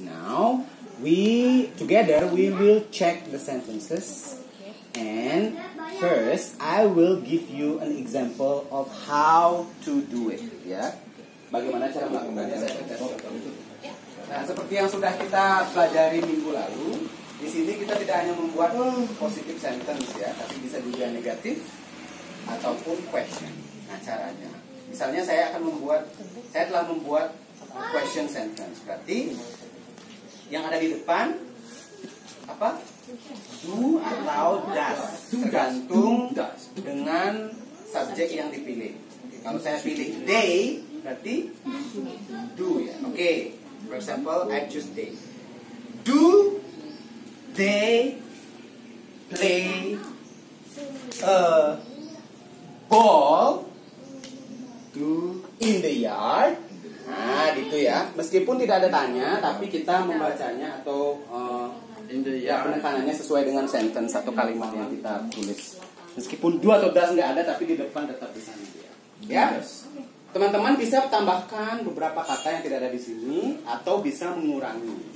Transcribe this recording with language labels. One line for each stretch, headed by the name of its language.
English: Now, we together we will check the sentences. And first, I will give you an example of how to do it.
Indonesian: Ya, bagaimana cara melakukannya? Nah, seperti yang sudah kita pelajari minggu lalu, di sini kita tidak hanya membuat
English: positive sentence
Indonesian: ya, tapi bisa juga negatif ataupun question. Nah, caranya, misalnya saya akan membuat, saya telah membuat question sentence. Berarti yang ada di depan apa? Do atau does, tergantung dengan subjek yang dipilih. Kalau saya pilih they, berarti do ya. Oke, okay.
English: For example, I choose they. Do they play a ball to in the yard?
Indonesian: Nah, gitu ya. Meskipun tidak ada tanya, tapi kita membacanya atau penekanannya sesuai dengan sentence atau kalimat yang kita tulis. Meskipun dua atau das nggak ada, tapi di depan tetap di sana. Ya, teman-teman bisa tambahkan beberapa kata yang tidak ada di sini atau bisa mengurangi.